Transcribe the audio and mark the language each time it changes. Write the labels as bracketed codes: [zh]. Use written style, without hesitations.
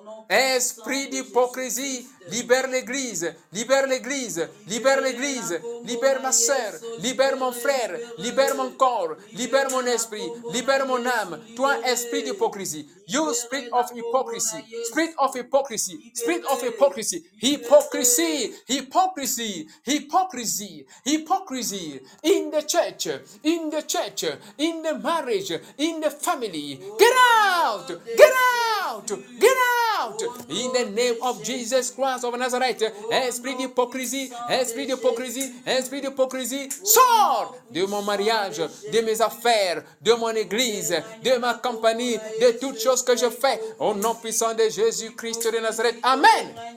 [fr] Esprit d'hypocrisie, libère l'église, libère l'église, libère l'église, libère ma sœur, libère mon frère, libère mon corps, libère mon esprit, libère mon âme. Toi, esprit d'hypocrisie, [en] you spirit of hypocrisy, spirit of hypocrisy, spirit of hypocrisy, hypocrisy, hypocrisy, hypocrisy, hypocrisy, in the church, in the church, in the marriage, in the family. Get out, get out, get out. out in the name of Jesus Christ of Nazareth. [fr] Esprit d'hypocrisie, sors de mon mariage, de mes affaires, de mon église, de ma compagnie, de toutes choses que je fais. Au nom puissant de Jésus-Christ de Nazareth. Amen.